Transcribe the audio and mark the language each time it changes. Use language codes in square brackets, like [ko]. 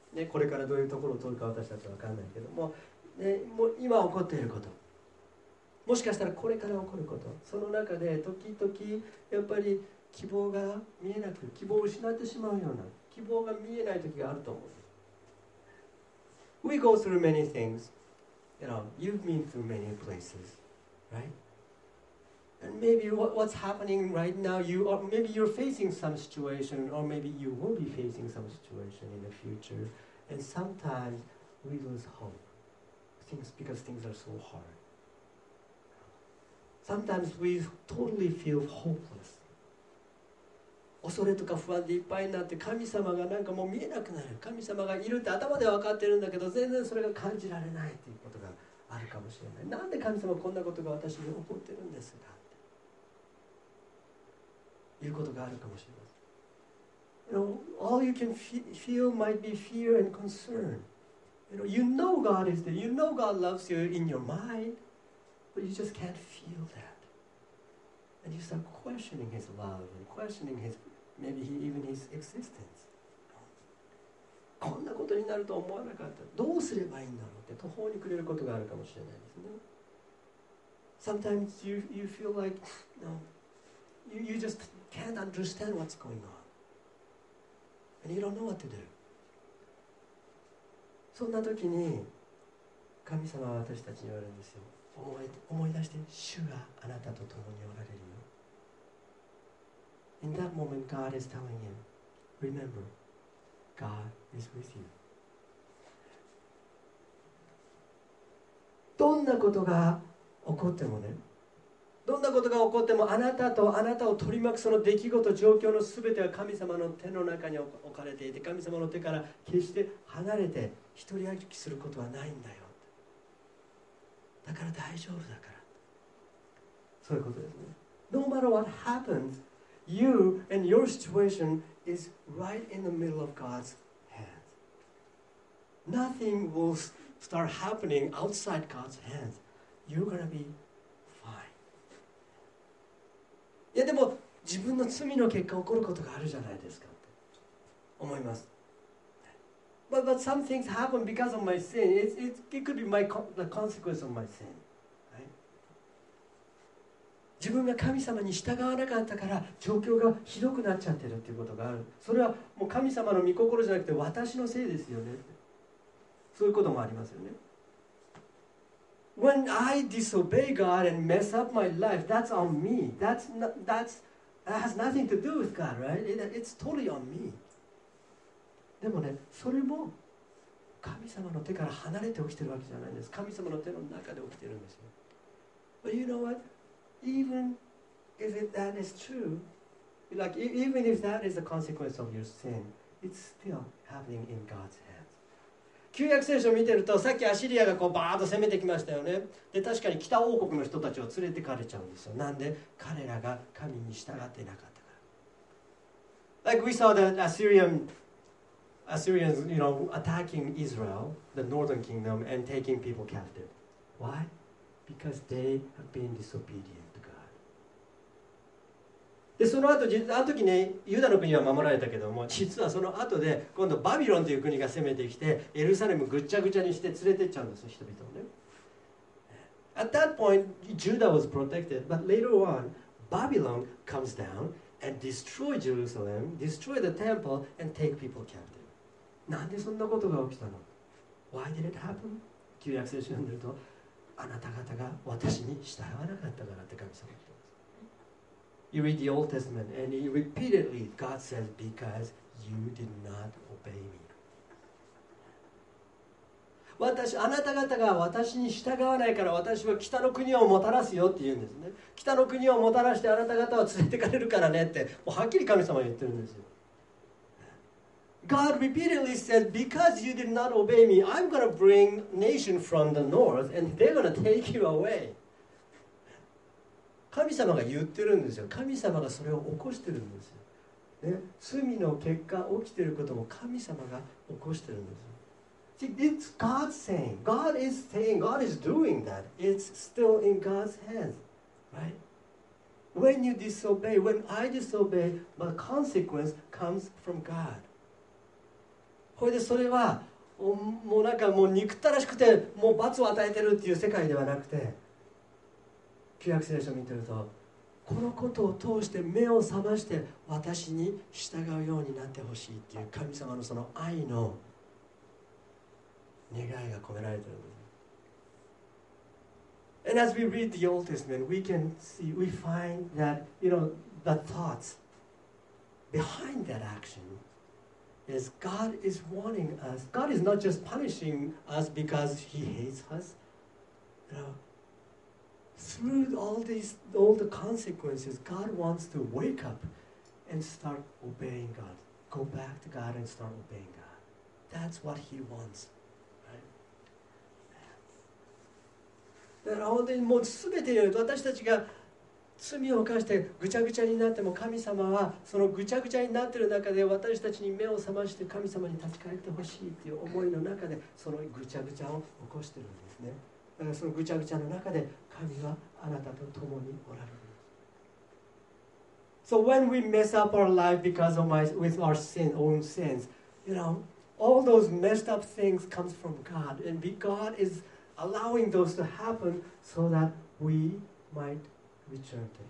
[ja] ね、これからどういうところを通るか私たちは分かんないけども、ね、もう今起こっていること。もしかしたらこれから起こること。その中で時々やっぱり希望が見えなく、希望を失ってしまうような、希望が見えない時があると思う。 [en] We go through many things. You know, you've been through many places, right? And maybe what's happening right now, you are, maybe you're facing some situation, or maybe you will be facing some situation in the future. And sometimes we lose hope. Things, because things are so hard. Sometimes we totally feel hopeless. [ja] 恐れとか不安でいっぱいになって神様がなんかもう見えなくなる、神様がいるって頭で分かってるんだけど全然それが感じられないっていうことがあるかもしれない。なんで神様こんなことが私に起こってるんですかっていうことがあるかもしれません。 [en] You know, all you can feel might be fear and concern. You know, you know God is there. You know God loves you in your mind, but you just can't feel that. And you start questioning his love and questioning his, maybe he, even his existence. [ja] こんなことになると思わなかった。どうすればいいんだろうって途方に暮れることがあるかもしれないですね。 [en] Sometimes you feel like, no, you just can't understand what's going on. And you don't know what to do. [ja] そんな時に神様は私たちに言われるんですよ。思い出して、主があなたと共におられるよ。 [en] In that moment, God is telling him, Remember, God is with you. [ja] どんなことが起こってもね、どんなことが起こっても、あなたとあなたを取り巻くその出来事、状況のすべては神様の手の中に置かれていて、神様の手から決して離れて、独り歩きすることはないんだよ。だから大丈夫だから。そういうことですね。 [en] No matter what happens,You and your situation is right in the middle of God's hands. Nothing will start happening outside God's hands. You're gonna be fine. [ja] いやでも自分の罪の結果起こることがあるじゃないですかって思います。 [en] But some things happen because of my sin. It could be the consequence of my sin. [ja] 自分が神様に従わなかったから状況がひどくなっちゃってるっていうことがある。それはもう神様の御心じゃなくて私のせいですよね。そういうこともありますよね。 [en] When I disobey God and mess up my life, that's on me. That has nothing to do with God, right? It's totally on me. [ja] でもね、それも神様の手から離れて起きてるわけじゃないんです。神様の手の中で起きてるんですよ。 [en] But you know what?Even if that is true, Like even if that is a consequence of your sin, it's still happening in God's hands. [ja] 旧約聖書を見てると、さっきアシリアがこうバーッと攻めてきましたよね。で、確かに北王国の人たちを連れてかれちゃうんですよ。なんで彼らが神に従ってなかったから。 [en] Like we saw the Assyrians, you know, attacking Israel, the northern kingdom, and taking people captive. Why? Because they have been disobedient to God. [ja] で、その後、あの時ね、ユダの国は守られたけども、実はその後で、今度バビロンという国が攻めてきて、エルサレムぐっちゃぐちゃにして連れてっちゃうんですよ、人々をね。 [en] At that point, Judah was protected, but later on, Babylon comes down and destroys Jerusalem, destroys the temple, and takes people captive. [ja] なんでそんなことが起きたの [en] Why did it happen? [ja] 旧約聖書読んでるとあなた方が私に従わなかったからって神様言ってます [en] You read the Old Testament and repeatedly God says because you did not obey me [ja] 私あなた方が私に従わないから私は北の国をもたらすよって言うんですね北の国をもたらしてあなた方は連れてかれるからねってもうはっきり神様言ってるんですよ [en] God repeatedly said, because you did not obey me, I'm going to bring nation from the north, and they're going to take you away. [ja] 神様が言ってるんですよ。神様がそれを起こしてるんですよ。ね、罪の結果起きてることも神様が起こしてるんですよ。 [en] See, it's God saying. God is saying, God is doing that. It's still in God's hands, right? When you disobey, when I disobey, my consequence comes from God. [ja] これでそれはもうなんかもう憎たらしくてもう罰を与えてるっていう世界ではなくて旧約聖書を見てるとこのことを通して目を覚まして私に従うようになってほしいっていう神様のその愛の願いが込められてる [en] And as we read the Old Testament we can see, we find that you know, the thoughts behind that actionIs God is warning us. God is not just punishing us because He hates us. You know, through all these, all the consequences, God wants to wake up and start obeying God. Go back to God and start obeying God. That's what He wants. Right? That all the, [ja] もうすべてよ。私たちが罪を犯してぐちゃぐちゃになっても神様はそのぐちゃぐちゃになっている中で私たちに目を覚まして神様に立ち返ってほしいという思いの中でそのぐちゃぐちゃを起こしているんですねだからそのぐちゃぐちゃの中で神はあなたと共におられる [en] So when we mess up our life because of my, with our sin, own sins you know, all those messed up things comes from God and be God is allowing those to happen so that we mightReturn to Him.